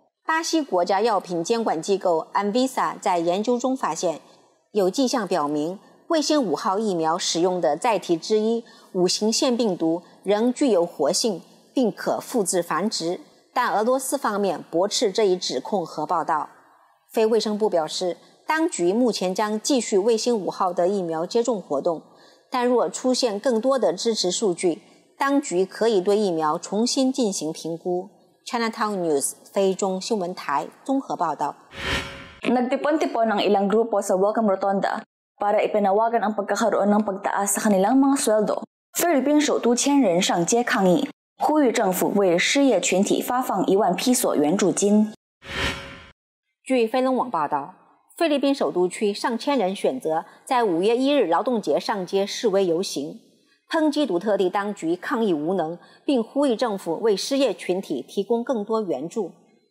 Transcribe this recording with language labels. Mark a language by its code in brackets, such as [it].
[zh] 巴西国家药品监管机构 ANVISA 在研究中发现，有迹象表明卫星5号疫苗使用的载体之一五型腺病毒仍具有活性并可复制繁殖，但俄罗斯方面驳斥这一指控和报道。非卫生部表示，当局目前将继续卫星5号的疫苗接种活动，但若出现更多的支持数据，当局可以对疫苗重新进行评估。 Chinatown News 非中新闻台综合报道。 [tl] Nagtipon-tipon ang ilang grupo sa Welcome Rotonda para ipinawagan ang pagkakaroon ng pagtaas sa kanilang mga sweldo. [zh] 菲律宾首都千人上街抗议，呼吁政府为失业群体发放10000批索援助金。据飞龙网报道，菲律宾首都区上千人选择在5月1日劳动节上街示威游行，抨击杜特地当局抗议无能，并呼吁政府为失业群体提供更多援助。